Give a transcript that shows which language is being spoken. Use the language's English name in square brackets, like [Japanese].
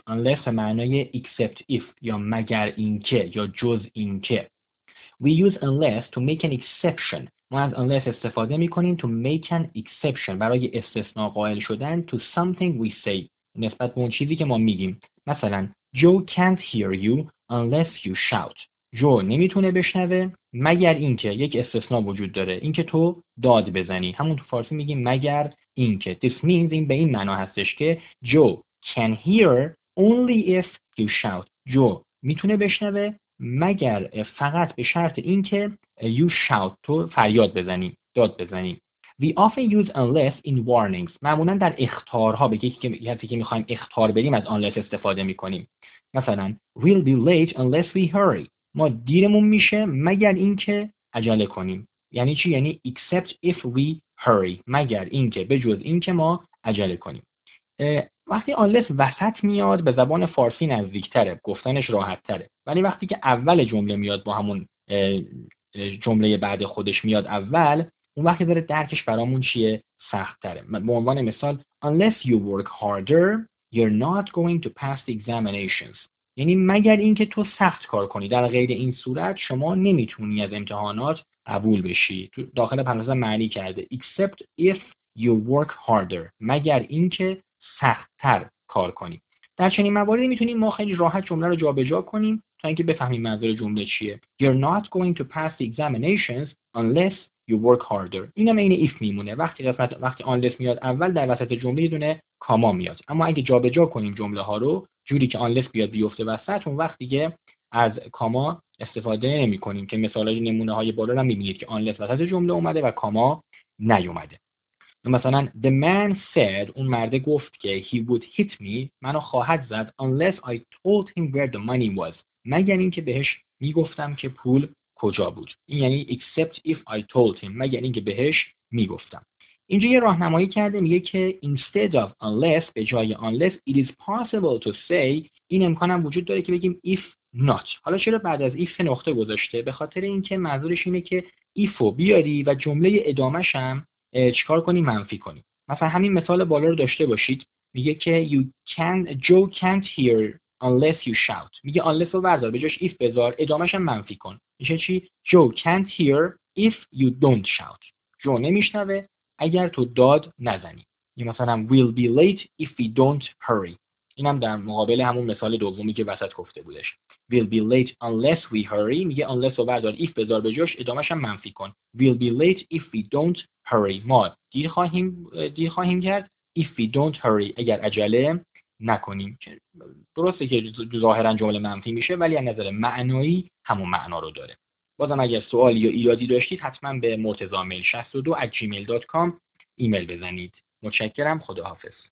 [Persian] unless به معنای [English] except if [Persian] یا مگر اینکه یا جز اینکه. [English] We use unless to make an exception. [Persian] ما از unless استفاده میکنیم [English] to make an exception، [Persian] برای استثناء قائل شدن [English] to something we say، [Persian] نسبت به اون چیزی که ما میگیم. [English] مثلا Joe can't hear you unless you shout. [Persian] جو نمیتونه بشنوه مگر اینکه، یک استثناء وجود داره، اینکه تو داد بزنی. همون تو فارسی میگیم مگر اینکه. [English] This means، [Persian] این به این معنا هستش که جو [English] can hear only if you shout. [Persian] جو میتونه بشنوه مگر، فقط به شرط اینکه [English] you shout، [Persian] تو فریاد بزنی، داد بزنی. [English] We often use unless in warnings. [Persian] معمولا در اخطارها، به کسی که میخوایم اخطار بدیم، از unless استفاده میکنیم. [English] مثلا we'll be late unless we hurry. [Persian] ما دیرمون میشه مگر اینکه عجله کنیم. یعنی چی؟ یعنی [English] except if we hurry، [Persian] مگر اینکه، به جز اینکه ما عجله کنیم. وقتی unless وسط میاد به زبان فارسی نزدیکتره، گفتنش راحت تره. ولی وقتی که اول جمله میاد با همون جمله بعد خودش میاد اول، اون وقتی داره درکش برامون چیه سخت تره. به عنوان مثال [English] unless you work harder you're not going to pass the examinations. [Persian] یعنی مگر اینکه تو سخت کار کنی، در غیر این صورت شما نمیتونی از امتحانات قبول بشی. تو داخل پرانتز معنی کرده [English] except if you work harder، [Persian] مگر اینکه سخت‌تر کار کنی. در چنین مواردی میتونیم ما خیلی راحت جمله رو جابجا کنیم تا اینکه بفهمیم منظور جمله چیه. [English] You're not going to pass the examinations unless you work harder. [Persian] این هم این if میمونه. وقتی unless میاد اول، در وسط جمله دونه کاما میاد. اما اگه جابجا کنیم جمله ها رو جوری که unless بیاد بیفته وسط، اون وقت دیگه از کاما استفاده نمی کنیم. که مثالای نمونه های بالا رو میبینید که unless وسط جمله اومده و کاما نیومده. مثلا [English] the man said، [Persian] اون مرده گفت که [English] he would hit me، [Persian] منو خواهد زد، [English] unless I told him where the money was، [Persian] مگر اینکه بهش میگفتم که پول کجا بود. این یعنی [English] except if I told him، [Persian] مگر اینکه بهش میگفتم. اینجا یه راهنمایی کرده، میگه که [English] instead of unless، [Persian] به جای unless، [English] it is possible to say، [Persian] این امکانم وجود داره که بگیم [English] if not. [Persian] حالا چرا بعد از if نقطه گذاشته؟ به خاطر اینکه منظورش اینه که if رو بیاری و جمله ادامه‌ش هم چیکار کنی؟ منفی کنی. مثلا همین مثال بالا رو داشته باشید، میگه که [English] Joe can't hear unless you shout. [Persian] میگه unless رو بذار، به جاش if بذار، ادامه‌ش هم منفی کن. میشه چی؟ [English] Joe can't hear if you don't shout. [Persian] Joe نمیشنوه اگر تو داد نزنی. یه مثلا [English] we'll be late if we don't hurry. [Persian] اینم در مقابل همون مثال دومی که وسط گفته بودش. [English] We'll be late unless we hurry. [Persian] میگه unless رو بردار، if بذار به جاش، ادامش هم منفی کن. [English] We'll be late if we don't hurry. [Persian] ما دیر خواهیم کرد [English] if we don't hurry، [Persian] اگر عجله نکنیم. درسته که ظاهرا جمله منفی میشه، ولی از نظر معنایی همون معنا رو داره. بازم اگر سوال یا ایرادی داشتید، حتما به مرتضی میل 62@gmail.com ایمیل بزنید. متشکرم. خداحافظ.